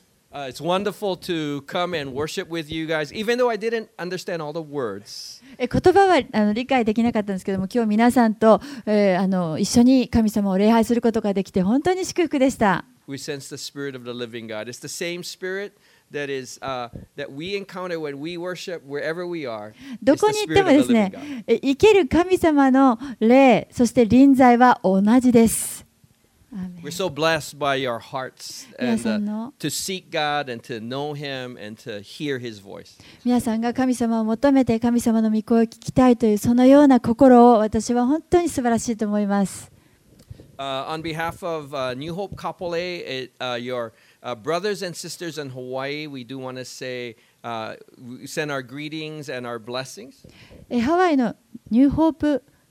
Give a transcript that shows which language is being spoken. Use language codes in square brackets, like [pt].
[en] It's wonderful to come and worship with you guys, even though I didn't understand all the words. [ja] 言葉は理解できなかったんですけども、今日皆さんと、一緒に神様を礼拝することができて本当に祝福でした。 [en] We sense the spirit of the living God. It's the same spirit that is, that we encounter when we worship wherever we are. [ja] どこに行ってもですね、生ける神様の霊、そして臨在は同じです。 [en] We're so blessed by your hearts and, to seek God and to know Him and to hear His voice. [ja] 皆さんが神様を求めて神様の御声を聞きたいというそのような心を私は本当に素晴らしいと思います。 [en] On behalf of New Hope Kapolei, your brothers and sisters in Hawaii, we do want to say, send our greetings and our blessings. [ja] ハワイのニューホープ。